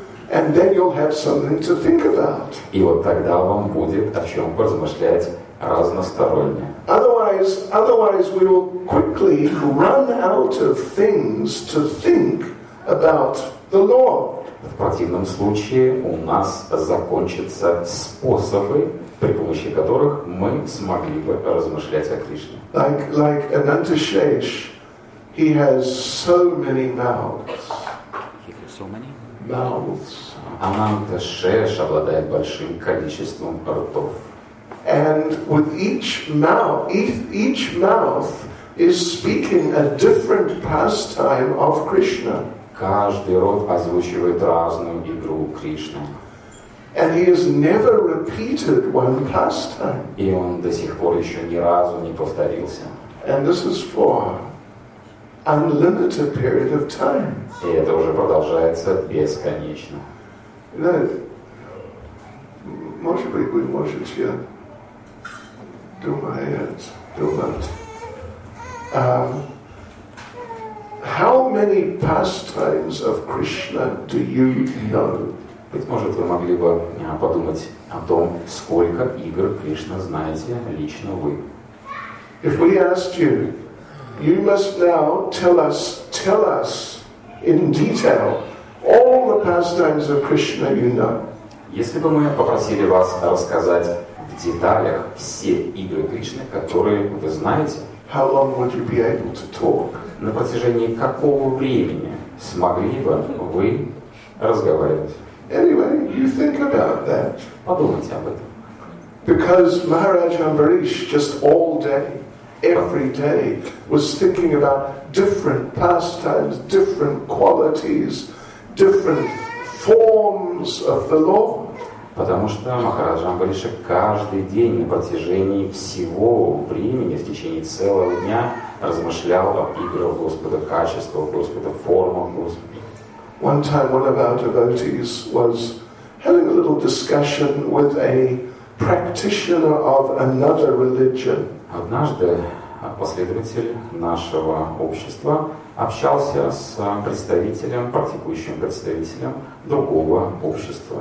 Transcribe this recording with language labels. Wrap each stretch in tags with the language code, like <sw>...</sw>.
<en>And then you'll have something to think about.</en> <ru>И вот тогда вам будет о чем поразмышлять разносторонне.</ru> <en>Otherwise we will quickly run out of things to think about the Lord.</en> <ru>В противном случае у нас закончатся способы, при помощи которых мы смогли бы размышлять о Кришне.</ru> <en>Like Ananta Shesh, he has so many mouths. He has so many mouths.</en> <ru>Ананта Шеш обладает большим количеством ртов.</ru> <en>And with each mouth is speaking a different pastime of Krishna.</en> <ru>Каждый рот озвучивает разную игру Кришны.</ru> <en>And he has never repeated one pastime.</en> <ru>И он до сих пор еще ни разу не повторился.</ru> <en>And this is for unlimited period of time.</en> <ru>И это уже продолжается бесконечно. Может быть, вы можете думать,</ru> <en>how many pastimes of Krishna do you know?</en> <ru>Быть может, вы могли бы подумать о том, сколько игр Кришна знаете лично вы.</ru> <en>If we asked you, you must now tell us in detail all the pastimes of Krishna you know.</en> <ru>Если бы мы попросили вас рассказать в деталях все игры Кришны, которые вы знаете,</ru> <en>how long would you be able to talk?</en> <ru>На протяжении какого времени смогли бы вы разговаривать?</ru> <en>Anyway, you think about that.</en> <ru>Подумайте об этом.</ru> <en>Because Maharaj Amrish just all day, every day, was thinking about different pastimes, different qualities, different forms of the Lord.</en> <ru>Потому что Махарадж Амбариша каждый день на протяжении всего времени, в течение целого дня, размышлял о играх Господа, качествах Господа, формах Господа.</ru> <en>One time one of our devotees was having a little discussion with a practitioner of another religion.</en> <ru>Однажды последователь нашего общества общался с практикующим представителем другого общества.</ru>